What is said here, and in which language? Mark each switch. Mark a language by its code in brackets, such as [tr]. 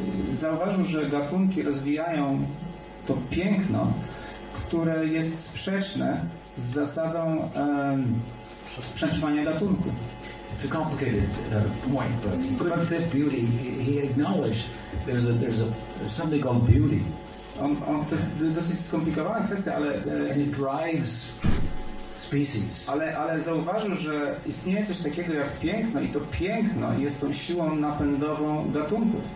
[pl] Zauważył, że gatunki rozwijają to piękno, które jest sprzeczne z zasadą przetrwania gatunku. [en] It's a complicated point, but he couldn't fit beauty. He acknowledged there's something called beauty. [pl] To jest dosyć skomplikowana kwestia, ale... [en] And it drives species. [pl] Ale zauważył, że istnieje coś takiego jak piękno i to piękno jest tą siłą napędową gatunków.